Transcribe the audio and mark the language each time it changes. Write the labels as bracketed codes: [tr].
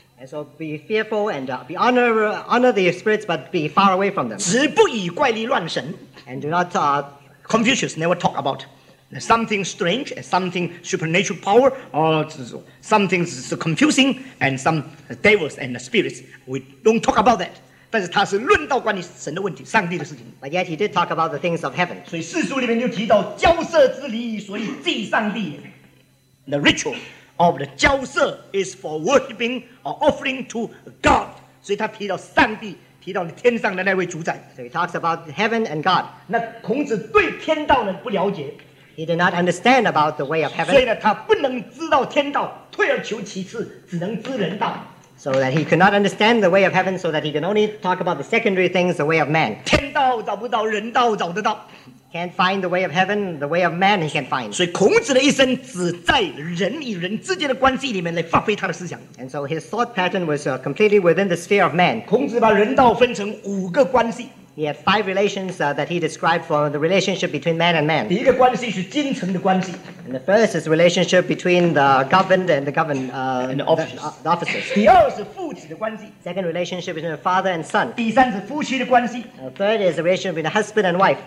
[en] And so be fearful and be honor the spirits, but be far away from them. [zh] 子不以怪力乱神。 [en] And do not, Confucius never talk about something strange, something supernatural power, or something confusing, and some devils and spirits. We don't talk about that. [zh] 但是他是论到关于神的问题,上帝的事情。 [en] But yet he did talk about the things of heaven. [zh] 所以四书里面就提到交涉之礼,所以祭上帝。 [en] The ritual of the 交涉 is for worshipping or offering to God. [zh] 所以他提到上帝。提到天上的那位主宰。 [en] So he talks about heaven and God. [zh] 那孔子对天道呢不了解。 [en] He did not understand about the way of heaven. [zh] 所以呢,他不能知道天道,退而求其次,只能知人道。 [en] So that he could not understand the way of heaven, so that he can only talk about the secondary things, the way of man. [zh] 天道找不到,人道找得到。 [en] Can't find the way of heaven, the way of man he can find. [zh] 所以孔子的一生只在人与人之间的关系里面来发挥他的思想。 [en] And so his thought pattern was completely within the sphere of man. [zh] 孔子把人道分成五个关系。 [en] He had five relations that he described for the relationship between man and man. And the first is the relationship between the governed and the governed and the officers. Second relationship between the father and son. Third is the relationship between husband and wife.